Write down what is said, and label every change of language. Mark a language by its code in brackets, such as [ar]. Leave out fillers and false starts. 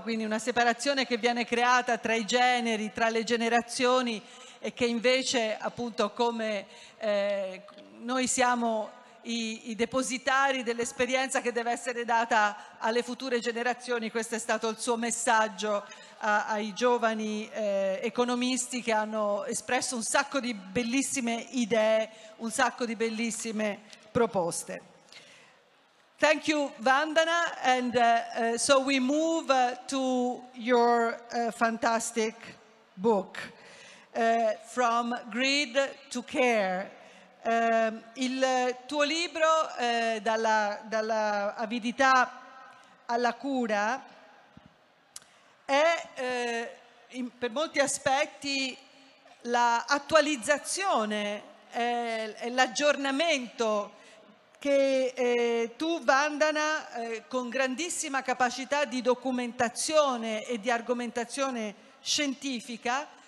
[it] Quindi una separazione che viene creata tra i generi, tra le generazioni, e che invece appunto come noi siamo i depositari dell'esperienza che deve essere data alle future generazioni. Questo è stato il suo messaggio ai giovani economisti che hanno espresso un sacco di bellissime idee, un sacco di bellissime proposte. [en] Thank you, Vandana, and so we move to your fantastic book, From Greed to Care. [it] Il tuo libro, dalla avidità alla cura, è per molti aspetti l'attualizzazione, è l'aggiornamento che tu, Vandana, con grandissima capacità di documentazione e di argomentazione scientifica,